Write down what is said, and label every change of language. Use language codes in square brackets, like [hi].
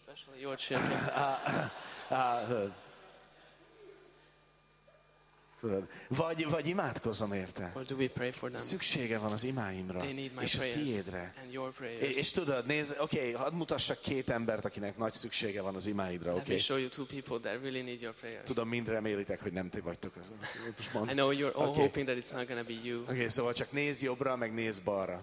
[en] Especially your children. [hu] Vagy imádkozom érte. [en] Or do we pray for them? [hu] Szüksége van az imáimra. [en] They need my [hu] és a tiédre. [en] And your prayers. [hu] És tudod, nézd, oké, okay, hadd mutassak két embert, akinek nagy szüksége van az imáidra, oké? [en] Okay? Show you two people that really need your prayers. [hu] Tudom, mind remélitek, hogy nem ti vagytok az. [en] I know you're all okay. Hoping that it's not gonna be you. [hu] Oké, okay, szóval csak nézz jobbra, meg nézz balra.